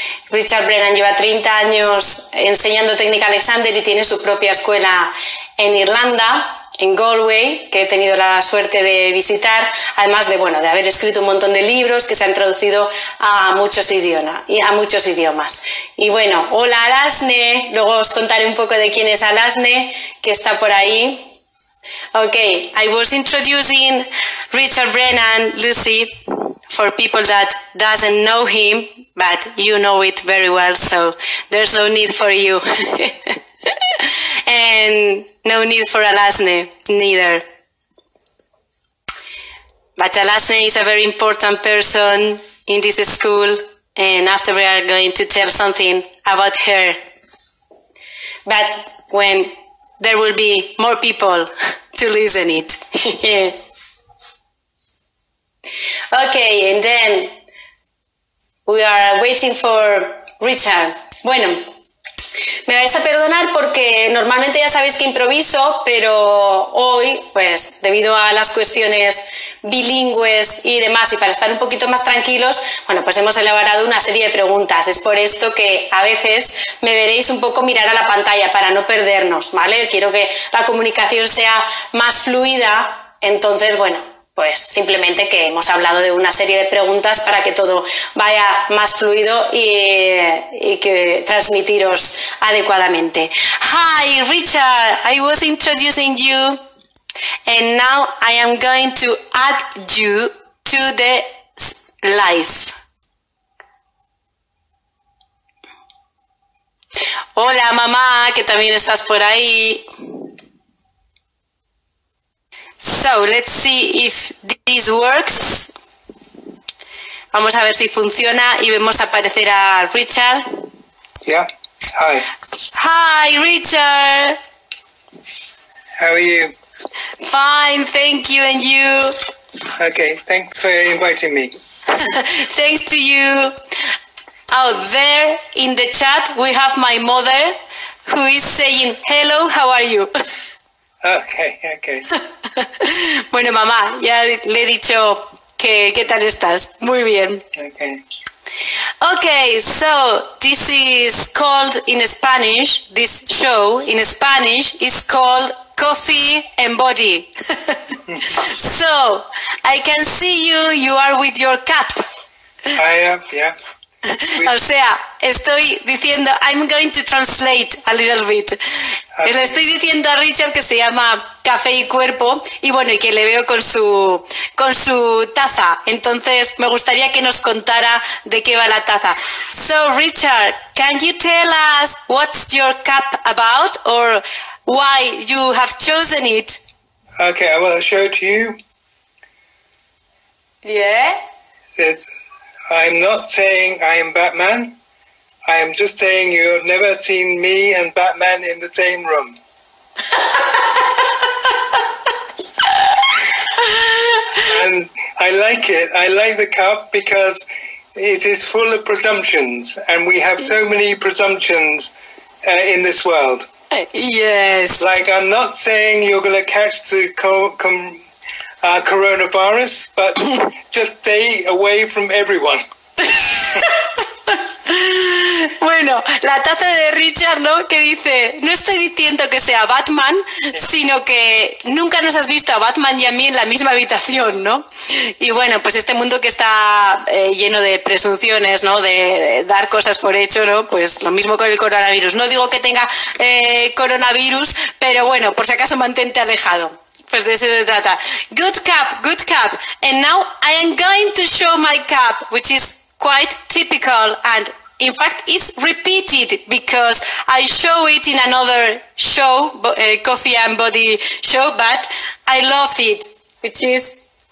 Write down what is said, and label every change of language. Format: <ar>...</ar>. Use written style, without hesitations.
<es>Richard Brennan lleva 30 años enseñando técnica, Alexander, y tiene su propia escuela en Irlanda, en Galway, que he tenido la suerte de visitar, además de, bueno, de haber escrito un montón de libros que se han traducido a muchos idiomas. Y bueno, hola Alasne, luego os contaré un poco de quién es Alasne, que está por ahí.</es> <en>Ok, I was introducing Richard Brennan, Lucy, for people that doesn't know him, but you know it very well, so there's no need for you. And no need for Alasne, neither. But Alasne is a very important person in this school, and after we are going to tell something about her. But when there will be more people to listen it. Okay, and then we are waiting for Richard.</en> <es>Bueno. Me vais a perdonar porque normalmente ya sabéis que improviso, pero hoy, pues debido a las cuestiones bilingües y demás, y para estar un poquito más tranquilos, bueno, pues hemos elaborado una serie de preguntas. Es por esto que a veces me veréis un poco mirar a la pantalla para no perdernos, ¿vale? Quiero que la comunicación sea más fluida, entonces, bueno, pues simplemente que hemos hablado de una serie de preguntas para que todo vaya más fluido y que transmitiros adecuadamente.</es> <en>Hi, Richard, I was introducing you and now I am going to add you to the live.</en> <es>Hola, mamá, que también estás por ahí.</es> <en>So, let's see if this works.</en> <es>Vamos a ver si funciona y vemos aparecer a Richard.</es> <en>Yeah, hi. Hi, Richard. How are you? Fine, thank you, and you? Okay, thanks for inviting me. Thanks to you. Out there in the chat, we have my mother, who is saying, hello, how are you? Okay, okay.</en> <es>Bueno, mamá, ya le he dicho que qué tal estás. Muy bien.</es> <en>Okay. Okay, so this is called in Spanish, this show in Spanish is called Coffee and Body. So, I can see you are with your cap. I am, yeah.</en> <es>O sea, estoy diciendo,</es> <en>I'm going to translate a little bit. Okay.</en> <es>Le estoy diciendo a Richard que se llama Café y Cuerpo y bueno, y que le veo con su taza. Entonces, me gustaría que nos contara de qué va la taza.</es> <en>So, Richard, can you tell us what's your cup about or why you have chosen it? Okay, I will show it to you. Yeah? I'm not saying I am Batman. I am just saying you have never seen me and Batman in the same room. And I like it. I like the cup because it is full of presumptions. And we have so many presumptions in this world. Yes. Like, I'm not saying you're going to catch the coronavirus, but just stay away from everyone.</en> <es>Bueno, la taza de Richard, ¿no? Que dice, no estoy diciendo que sea Batman, sino que nunca nos has visto a Batman y a mí en la misma habitación, ¿no? Y bueno, pues este mundo que está lleno de presunciones, ¿no? De dar cosas por hecho, ¿no? Pues lo mismo con el coronavirus. No digo que tenga coronavirus, pero bueno, por si acaso mantente alejado. Pues de eso se trata.</es> <en>Good cap, good cap. And now I am going to show my cap, which is quite typical and in fact, it's repeated because I show it in another show, Coffee and Body show, but I love it, which is...</en>